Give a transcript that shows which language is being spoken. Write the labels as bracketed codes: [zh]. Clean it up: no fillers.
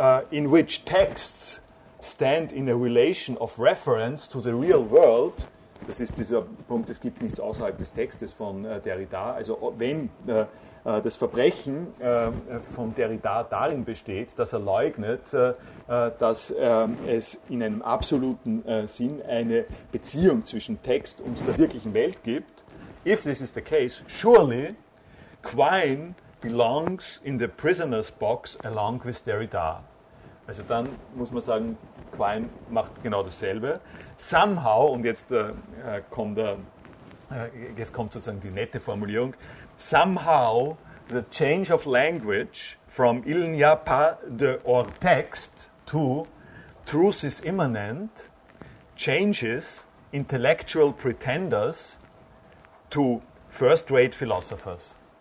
[en] in which texts stand in a relation of reference to the real world, [de] das ist dieser Punkt, es gibt nichts außerhalb des Textes von Derrida, also wenn das Verbrechen von Derrida darin besteht, dass er leugnet, dass es in einem absoluten Sinn eine Beziehung zwischen Text und der wirklichen Welt gibt. [en] If this is the case, surely Quine belongs in the prisoner's box along with Derrida. [de] Also dann muss man sagen, Quine macht genau dasselbe. [en] Somehow, [de] und jetzt kommt sozusagen die nette Formulierung, [en] somehow the change of language from [fr] il n'y a pas de hors text [en] to truth is immanent changes intellectual pretenders to first-rate philosophers.